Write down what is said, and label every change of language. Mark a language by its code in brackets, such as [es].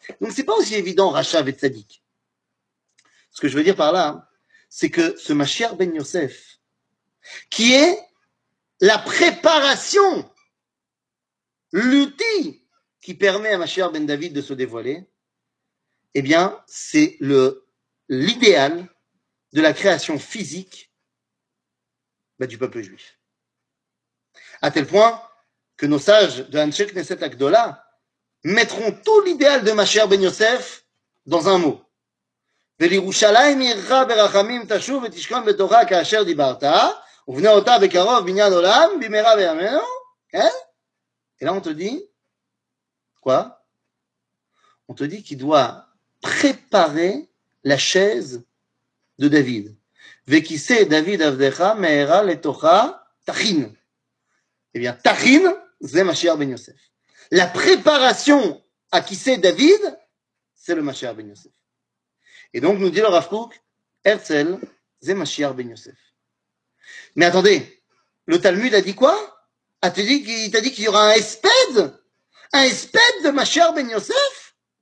[fr] Donc ce n'est pas aussi évident, Racha et tzaddik. Ce que je veux dire par là, c'est que ce Mashiach ben Yosef, qui est la préparation, l'outil qui permet à Machir Ben David de se dévoiler, eh bien, c'est l'idéal de la création physique du peuple juif. à tel point que nos sages de Anshe Knesset Hagdola mettront tout l'idéal de Machiav Ben Yosef dans un mot. [he] ולירושלים עירך ברחמים תשוב ותשכון בתורה כאשר דיברת, ובנה אותה בקרוב בניין עולם, במהרה בימינו, כן? אלא [fr] on te dit, quoi? On te dit qu'il doit préparer la chaise de David. [he] וכיסא דוד עבדך מהרה לתוכה תכין. [fr] Eh bien, [he] תכין, זה משיח בן יוסף. [fr] La préparation à כיסא דוד, c'est le משיח בן יוסף. Et donc, nous dit le Rav Kook, Herzl, c'est Mashiach ben Yosef. Mais attendez, le Talmud a dit quoi? Il t'a dit qu'il y aura un espède de Mashiach ben Yosef?